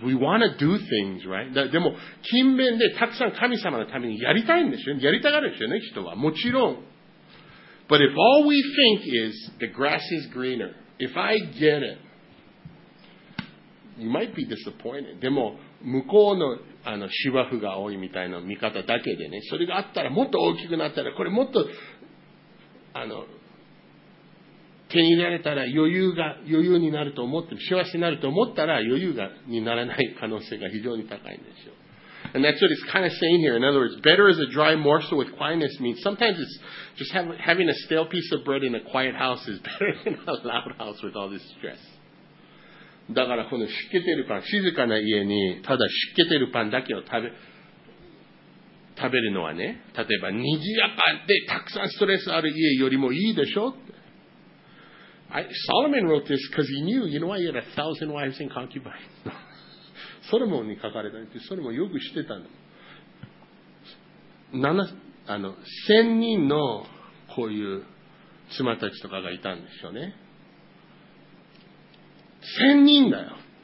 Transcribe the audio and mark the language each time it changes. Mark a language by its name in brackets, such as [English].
[English] We want to do things, right? [Japanese] でも勤勉でたくさん神様のためにやりたいんですよ。やりたがるんですよね、人は。もちろん。 [English] But if all we think is the grass is greener, if I get it, you might be disappointed. [Japanese] でも向こうの、あの芝生が多いみたいな見方だけでね、それがあったらもっと大きくなったら、これもっとあの手に入れられたら余裕になると思って、幸せになると思ったら余裕がにならない可能性が非常に高いんですよ。 [English] And that's what it's kind of saying here. In other words, better is a dry morsel with quietness means sometimes it's just having a stale piece of bread in a quiet house is better than a loud house with all this stress. [Japanese] だからこの湿気てるパン、静かな家にただ湿気てるパンだけを食べるのはね、例えば賑やかでたくさんストレスある家よりもいいでしょ。 [English] Solomon wrote this because he knew, you know why he had 1,000 wives and concubines. [Japanese] ソロモンに書かれたんです。ソロモンよく知ってたの。 1000人のこういう妻たちとかがいたんですよね。 1000人だよ。